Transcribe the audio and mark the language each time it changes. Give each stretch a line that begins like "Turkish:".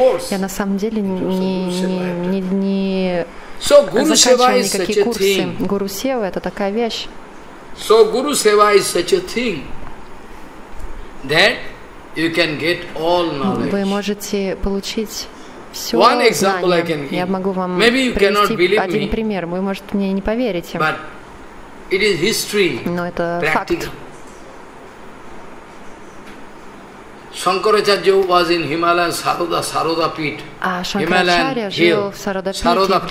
Russian: Я на самом деле не заканчивал никакие курсы. Гуру Сева – это такая вещь.
English: So Guru Seva is such a thing that you can get all knowledge.
Russian: Вы можете получить все знания. Я могу вам привести один пример. Вы, может, мне не поверите.
English: But it is history,
Russian: но это факт.
English: Shankaracharya was in Himalayas, Sarada, Sarada Pit.